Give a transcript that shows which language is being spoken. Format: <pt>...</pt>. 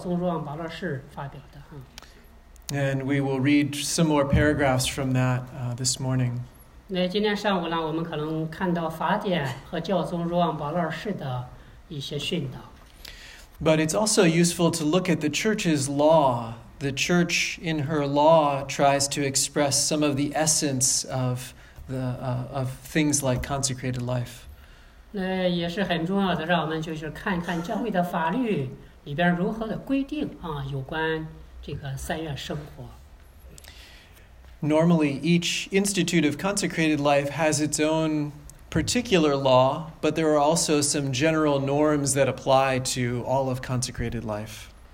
<zh>还有一个很重要的一个通，就是劝谕哈，就是教宗若望保罗士发表的哈。</zh> <en>And we will read some more paragraphs from that this morning.</en> <zh>那今天上午呢，我们可能看到法典和教宗若望保罗士的一些训导。</zh> <en>But it's also useful to look at the Church's law. The Church, in her law, tries to express some of the essence of of things like consecrated life.</en> <zh>那也是很重要的，让我们就是看看教会的法律里边如何的规定啊，有关这个三愿生活。</zh> <en>Normally, each institute of consecrated life has its own particular law, but there are also some general norms that apply to all of consecrated life.</en>